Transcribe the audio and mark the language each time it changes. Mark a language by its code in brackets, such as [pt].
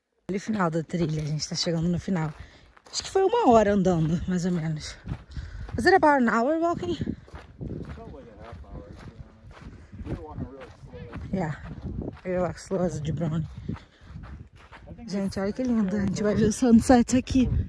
[pt] Olha o final da trilha, a gente tá chegando no final. Acho que foi uma hora andando, mais ou menos. [en] Was it about an hour walking? Probably an half hour, to be honest. Yeah. Very luxurious, Jabroni. [pt] Gente, olha que lindo. A gente vai ver o sunset aqui.